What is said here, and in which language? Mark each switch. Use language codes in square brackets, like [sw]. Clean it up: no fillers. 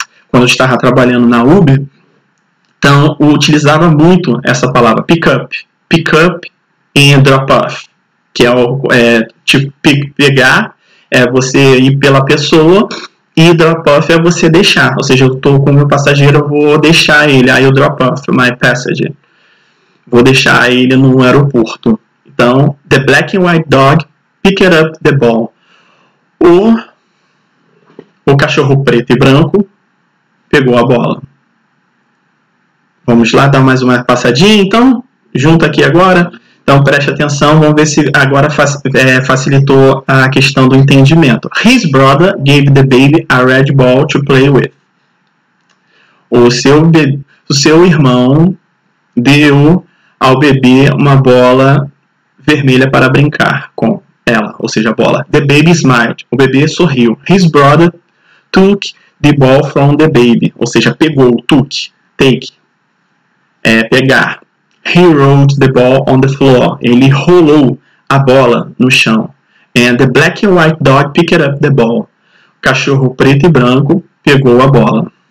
[pt] Quando eu estava trabalhando na Uber, então eu utilizava muito essa palavra, pick up e drop off, que é o pegar, é você ir pela pessoa, e drop off é você deixar, ou seja, eu estou com o meu passageiro, eu vou deixar ele, aí eu [en] drop off my passenger, [pt] vou deixar ele no aeroporto. [en] Então, the black and white dog, pick it up the ball. [pt] O cachorro preto e branco, pegou a bola. Vamos lá, dar mais uma passadinha, então? Junto aqui agora. Então, preste atenção. Vamos ver se agora facilitou a questão do entendimento. [en] His brother gave the baby a red ball to play with. [pt] O seu irmão deu ao bebê uma bola vermelha para brincar com ela. Ou seja, a bola. [en] The baby smiled. [pt] O bebê sorriu. [en] His brother took the ball from the baby, [pt] ou seja, pegou, [en] took, take, [pt] pegar. [en] He rolled the ball on the floor, [pt] ele rolou a bola no chão. [en] And the black and white dog picked up the ball. [pt] O cachorro preto e branco pegou a bola.